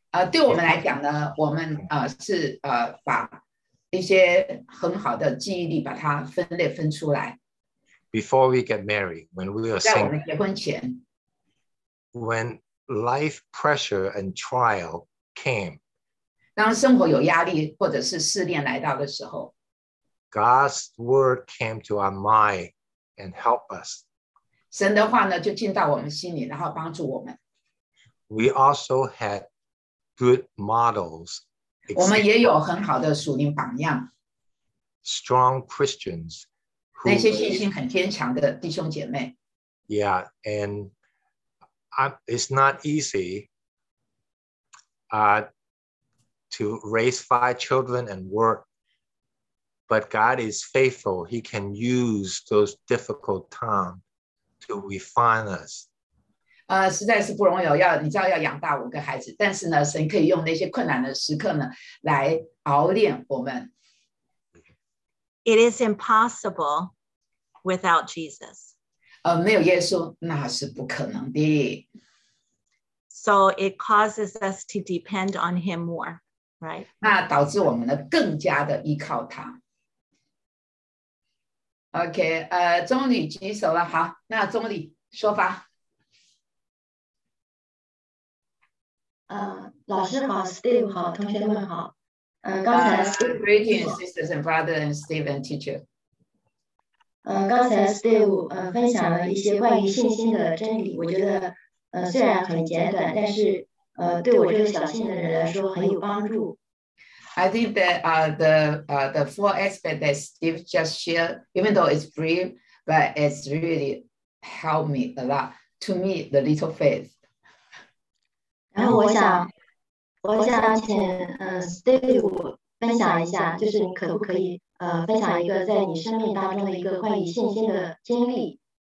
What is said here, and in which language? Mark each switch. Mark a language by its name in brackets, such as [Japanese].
[Chinese] 对我们来讲呢，我们是把一些很好的记忆力把它分类分出来。 [English] Before we get married, when we are single, [Chinese] 在我们结婚前 [English] ，when life pressure and trial came， [Chinese] 当生活有压力或者是试炼来到的时候 [English] ，God's word came to our mind and help us。 [Chinese] 神的话呢，就进到我们心里，然后帮助我们。 [English] We also had good models. [Chinese] 我们也有很好的属灵榜样。 [English] Strong Christians. [Chinese] 那些信心很坚强的弟兄姐妹。 [English] Yeah, and it's not easy. To raise 5 children and work, but God is faithful. He can use those difficult times to refine us. [Chinese] 实在是不容易，要你知道要养大五个孩子，但是呢，神可以用那些困难的时刻呢，来熬炼我们。 [English] It is impossible without Jesus. [Chinese] 没有耶稣，那是不可能的。 [English] So it causes us to depend on him more, right? [Chinese] 那导致我们呢，更加的依靠他。 OK, 钟理举手了，好，那钟理说吧。老师好 ，Steve 好，同学们好。刚才 [English] Greetings, sisters and brother and Steve and teacher。 [Chinese] 刚才 Steve 分享了一些关于信心的真理，我觉得虽然很简短，但是对我这个小信的人来说很有帮助。 [English] I think that the four aspects that Steve just shared, even though it's brief, but it's really helped me a lot. To me, the little faith. [Chinese] 然后我想请Steve 分享一下，就是你可不可以分享一个在你生命当中的一个关于信心的经历？